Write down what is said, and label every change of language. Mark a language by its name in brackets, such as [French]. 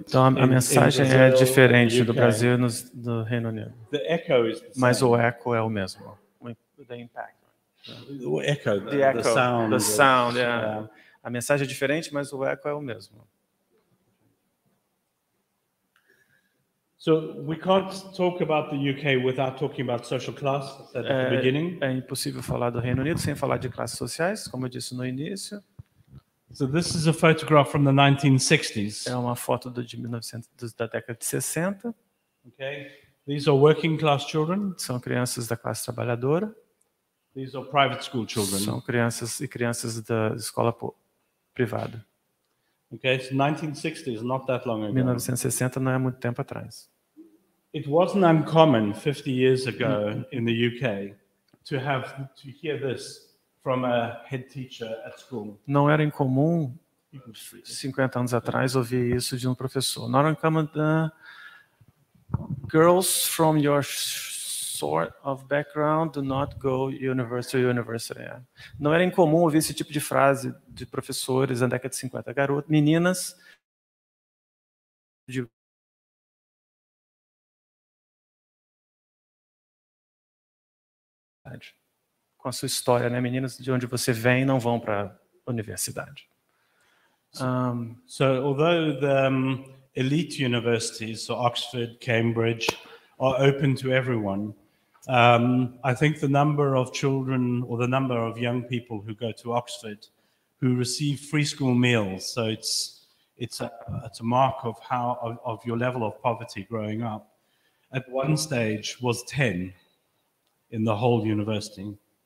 [Portuguese] Então a mensagem é diferente do Brasil e do Reino Unido. [English] The echo is the same. [Portuguese] Mas o eco é o mesmo. [English] The impact. The echo. The sound. Yeah. [Portuguese] A mensagem é diferente, mas o eco é o mesmo. [English] So we can't talk about the UK without talking about social class at the beginning. [Portuguese] É impossível falar do Reino Unido sem falar de classes sociais, como eu disse no início. [English] So this is a photograph from the 1960s. [Portuguese] É uma foto de 1900 da década de 60. [English] Okay. These are working class children. [Portuguese] São crianças da classe trabalhadora. [English] These are private school children. [Portuguese] São crianças da escola privada. [English] Okay, so 1960s, not that long ago. [Portuguese] 1960 não é muito tempo atrás. [English] It wasn't uncommon 50 years ago in the UK to hear this from a head teacher at school. [Portuguese] Não era incomum 50 anos atrás ouvir isso de um professor. [English] Not uncommon girls from your sort of background do not go university. [Portuguese] Não era incomum ouvir esse tipo de frase de professores na década de 50. Garotas, meninas de com a sua história, né? Meninas de onde você vem não vão para a universidade. [English] So, although the elite universities, so Oxford, Cambridge, are open to everyone, I think the number of children or the number of young people who go to Oxford who receive free school meals, so it's a mark of how of your level of poverty growing up, at one stage was 10 in the whole university.